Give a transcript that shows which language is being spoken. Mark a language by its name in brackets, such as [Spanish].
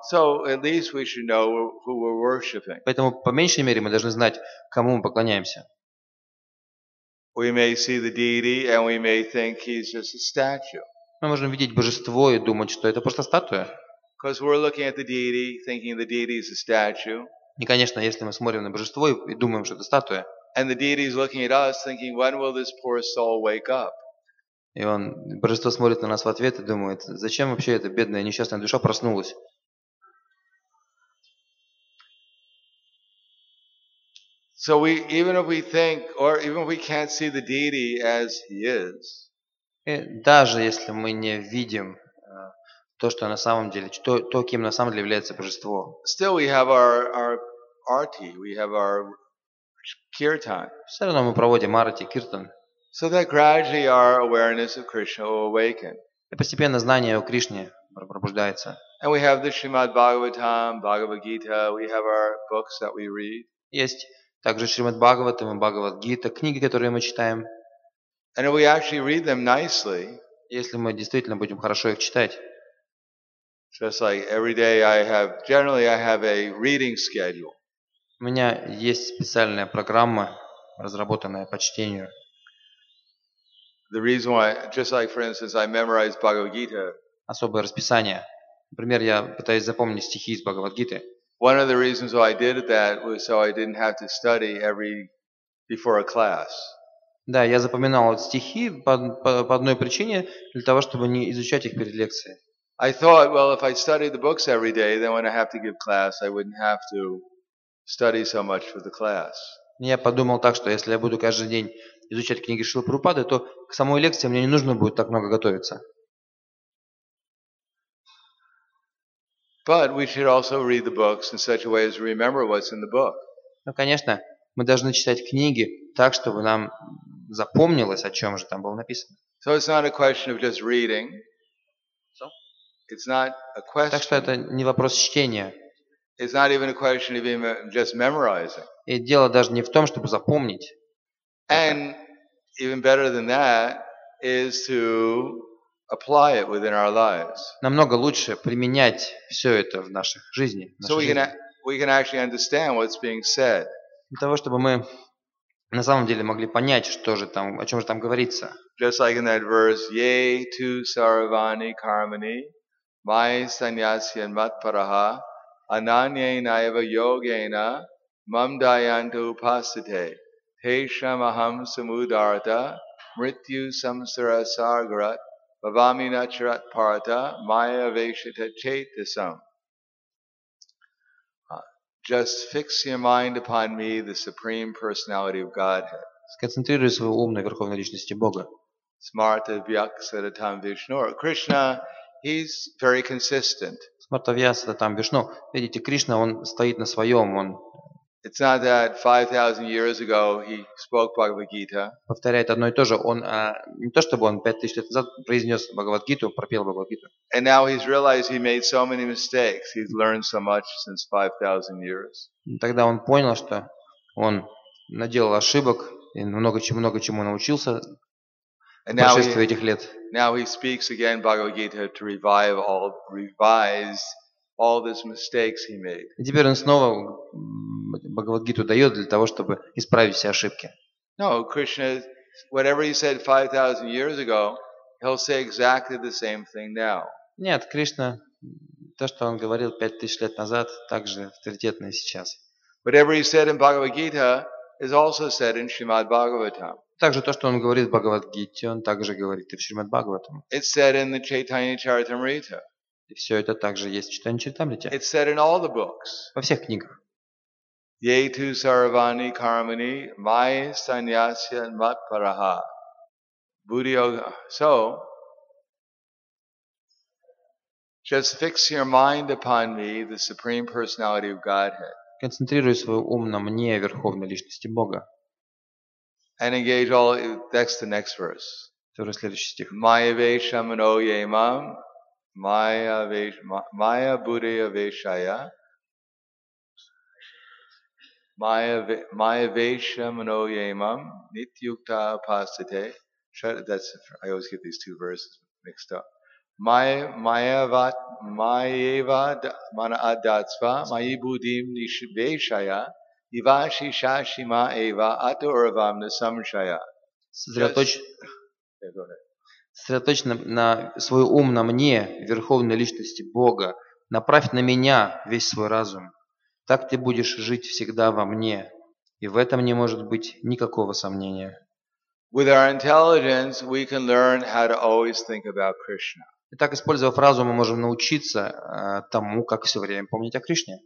[English] So at least we should know who we're worshiping. [Russian] Поэтому, по меньшей мере, мы должны знать, кому мы поклоняемся. [English] We may see the deity and we may think he's just a statue. [Russian] Мы можем видеть божество и думать, что это просто статуя. [English] Because we're looking at the deity, thinking the deity is a statue. [Russian] И, конечно, если мы смотрим на божество и думаем, что это статуя. [English] And the deity is looking at us, thinking, when will this poor soul wake up? [Russian] И он, божество смотрит на нас в ответ и думает, зачем вообще эта бедная несчастная душа проснулась? [English] So we, even if we think, or even if we can't see the deity as he is. [Russian] И даже если мы не видим то, что на самом деле, то, кем на самом деле является божество. [English] Still we have our arti, we have our kirtan. [Russian] Все равно мы проводим арти, киртан. [English] So that gradually our awareness of Krishna will awaken. [Russian] И постепенно знание о Кришне пробуждается. [English] And we have the Shrimad Bhagavatam, Bhagavad Gita, we have our books that we read. [Russian] Есть также Шримад Бхагаватам и Бхагавад Гита, книги, которые мы читаем. [English] And if we actually read them nicely. [Russian] Если мы действительно будем хорошо их читать. [English] Just like every day I have, generally I have a reading schedule. [Russian] У меня есть специальная программа, разработанная по чтению. [English] The reason why, just like for instance, I memorize Bhagavad Gita. [Russian] Особое расписание. Например, я пытаюсь запомнить стихи из Бхагавад Гиты. [English] One of the reasons why I did that was so I didn't have to study every before a class. [Russian] Да, я запоминал стихи по одной причине, для того, чтобы не изучать их перед лекцией. [English] I thought, well, if I studied the books every day, then when I have to give class, I wouldn't have to study so much for the class. [Russian] Я подумал так, что если я буду каждый день изучать книги Шрилы Прабхупады, то к самой лекции мне не нужно будет так много готовиться. [English] But we should also read the books in such a way as to remember what's in the book. [Russian] Ну, конечно, мы должны читать книги так, чтобы нам запомнилось, о чем же там было написано. [English] So it's not a question of just reading. It's not a question. [Russian] Так что это не вопрос чтения. [English] It's not even a question of just memorizing. [Russian] И дело даже не в том, чтобы запомнить. [English] And even better than that is to apply it within our lives. [Russian] Намного лучше применять все это в наших жизни. [English] So we can actually understand what's being said. [Russian] Для того, чтобы мы на самом деле могли понять, что же там, о чем же там говорится. [Sanskrit] Just like in that verse, Ye tu sarvani karmani, mai sannyasyan matparaha, ananye naiva yogena, mamdayanta upasate, tesham aham samudarta, mrityu samsara sagrat, bhavami nacharat parta, maya veshita chetasam. [English] Just fix your mind upon me, the Supreme Personality of Godhead. [Russian] Сконцентрируй свой ум на Верховной Личности Бога. [Sanskrit] Smarta Vyaksata Tam Vishnu. [English] Krishna, he's very consistent. [Sanskrit] Smarta Vyaksata Tam Vishnu. [Russian] Видите, Кришна, он стоит на своем. Он... [English] It's not that 5,000 years ago he spoke Bhagavad Gita. [Russian] Повторяет одно и то же. Он не то чтобы он 5,000 лет назад произнес Бхагавад Гиту, пропел Бхагавад Гиту. [English] And now he's realized he made so many mistakes. He's learned so much since 5,000 years. [Russian] Тогда он понял, что он наделал ошибок и много чему научился в большинстве этих лет. [English] Now he speaks again Bhagavad Gita to revise all these mistakes he made. [Russian] И теперь он снова Бхагавад-гиту дает для того, чтобы исправить все ошибки. [English] No, Krishna, whatever he said 5,000 years ago, he'll say exactly the same thing now. [Russian] Нет, Кришна, то, что он говорил 5,000 лет назад, также авторитетно сейчас. [English] Whatever he said in Bhagavad-gita is also said in Śrīmad-Bhāgavatam. [Russian] Также то, что он говорит в Бхагавад-гите, он также говорит и в Śrīmad-Bhāgavatam. [English] It's said in the Chaitanya Charitamrita. [Russian] И все это также есть в Chaitanya Charitamrita. [English] It's said in all the books. [Russian] Во всех книгах. [Sanskrit] Ye tu sarvani karmani mai sannyasya matparaha. Buddhi yoga. [English] So, just fix your mind upon me, the Supreme Personality of Godhead. [Russian] Концентрируй свой ум на мне, Верховной Личности Бога. [English] And engage all, that's the next verse. [Russian] Это следующий стих. [Sanskrit] Maya veshamano yemam, maya buddhi yaveshaya. Maya Veshamano Yamam Nityukta Pasate. [English] That's, I always get these two verses mixed up. [Sanskrit] Mayava Mana Adatsva Mayi Buddhim Nishveshaya Ivashi Shashima Eva Aturavam Nasamshaya. [Russian] Сосредоточь на свой ум на мне, Верховной Личности Бога. Направь на меня весь свой разум. Так ты будешь жить всегда во мне, и в этом не может быть никакого сомнения. [English] With our intelligence, we can learn how to always think about Krishna. [Russian] Итак, использовав разум, мы можем научиться тому, как все время помнить о Кришне.